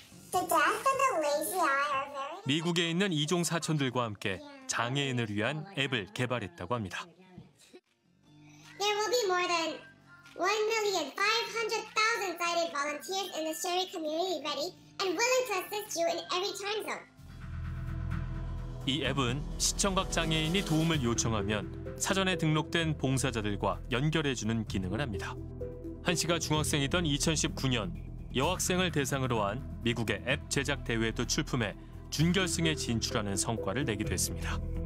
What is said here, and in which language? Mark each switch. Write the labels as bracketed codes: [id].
[en] The deaf and the lazy eye are very... [ko] 미국에 있는 이종 사촌들과 함께 장애인을 위한 앱을 개발했다고 합니다. [en] There will be more than 1,500,000 sighted volunteers in the Sherry community ready and willing to assist you in every time zone. [ko] 이 앱은 시청각 장애인이 도움을 요청하면 사전에 등록된 봉사자들과 연결해주는 기능을 합니다. 한 씨가 중학생이던 2019년 여학생을 대상으로 한 미국의 앱 제작 대회에도 출품해 준결승에 진출하는 성과를 내기도 했습니다.